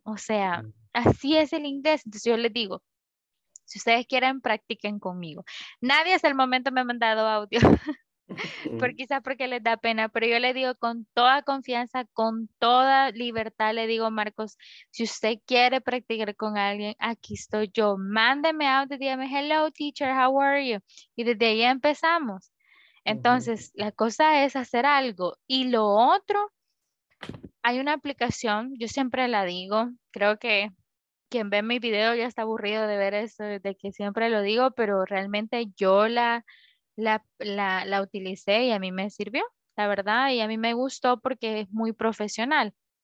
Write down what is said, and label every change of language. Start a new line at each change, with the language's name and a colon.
Spanish: O sea, así es el inglés. Entonces yo les digo, si ustedes quieren, practiquen conmigo. Nadie hasta el momento me ha mandado audio, quizás porque les da pena, pero yo le digo con toda confianza, con toda libertad, le digo, Marcos, si usted quiere practicar con alguien, aquí estoy yo. Mándeme audio, dígame,
English: hello teacher, how are you?
Spanish: Y desde ahí empezamos. Entonces, la cosa es hacer algo. Y lo otro, hay una aplicación, yo siempre la digo, creo que quien ve mi video ya está aburrido de ver eso, de que siempre lo digo, pero realmente yo la utilicé y a mí me sirvió, la verdad, y a mí me gustó porque es muy profesional.